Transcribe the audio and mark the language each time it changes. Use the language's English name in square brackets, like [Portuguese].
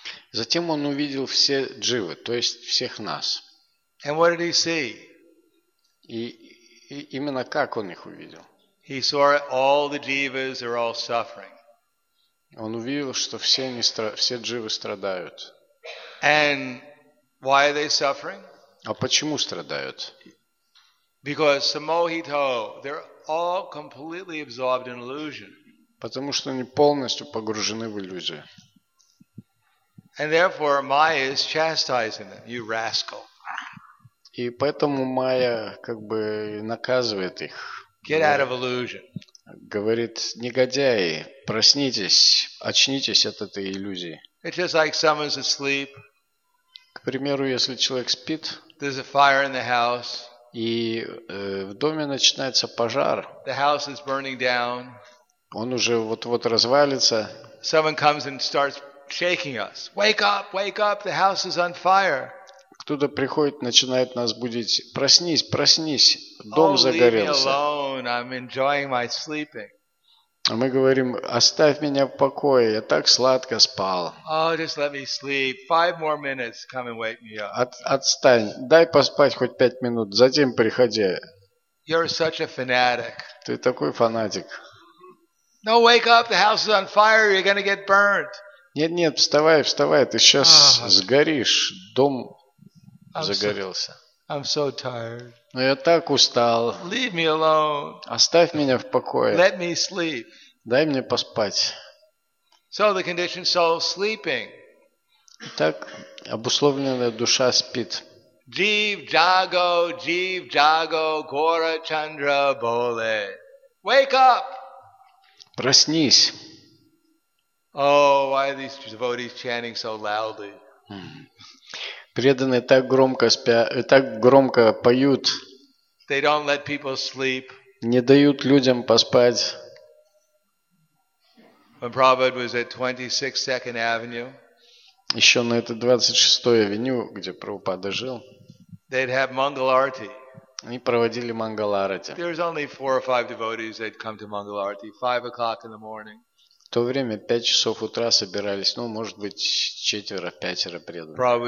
[Russian] Затем он увидел все дживы, то есть всех нас. [English] And what did he see? [Russian] И именно как он их увидел? [English] He saw all the jivas are all suffering. [Russian] Он увидел, что все они все дживы страдают. [English] And why are they suffering? [Russian] А почему страдают? [English] Because samohito, they're all completely absorbed in illusion. [Russian] Потому что они полностью погружены в иллюзию. [English] And therefore Maya is chastising them, you rascal. [Russian] И поэтому Майя как бы наказывает их. [English] Get out of illusion. [Russian] Говорит: негодяи, проснитесь, очнитесь от этой иллюзии. [English] It's just like someone's asleep. [Russian] К примеру, если человек спит, [English] there's a fire in the house, [Russian] и в доме начинается пожар, [English] the house is burning down, [Russian] он уже вот-вот развалится, [English] someone comes and starts shaking us. Wake up, the house is on fire. [Russian] Кто-то приходит, начинает нас будить: проснись, проснись, дом загорелся. [English] Leave me alone, I'm enjoying my sleeping. [Russian] А мы говорим: оставь меня в покое, я так сладко спал. [English] Oh, just let me sleep. Five more minutes, come and wake me up. [Russian] Отстань, дай поспать хоть пять минут, затем приходи. [English] You're such a fanatic. [Russian] Ты такой фанатик. [English] No, wake up, the house is on fire, you're gonna get burnt. [Russian] Нет, вставай, вставай, ты сейчас сгоришь, дом загорелся. [English] I'm so tired. [Russian] Но я так устал. [English] Leave me alone. [Russian] Оставь меня в покое. [English] Let me sleep. [Russian] Дай мне поспать. [English] So the conditioned soul sleeping. [Russian] Так обусловленная душа спит. [Bangla] Jeev jago, jeev jago, gora chandra bole. [English] Wake up! [Russian] Проснись. [English] Oh, why are these devotees chanting so loudly? [Russian] Преданные так громко поют. [English] They don't let people sleep. [Russian] Не дают людям поспать. [English] When Prabhupada was at 26 Second Avenue, [Russian] еще на этой 26-й авеню, где Прабхупада жил, [English] they'd have Mangal Arati. [Russian] Они проводили Mangal Arati. [English] There was only four or five devotees that come to Mangal Arati, 5 o'clock in the morning. [Russian] В то время 5 часов утра собирались, ну, может быть, четверо-пятеро преданных.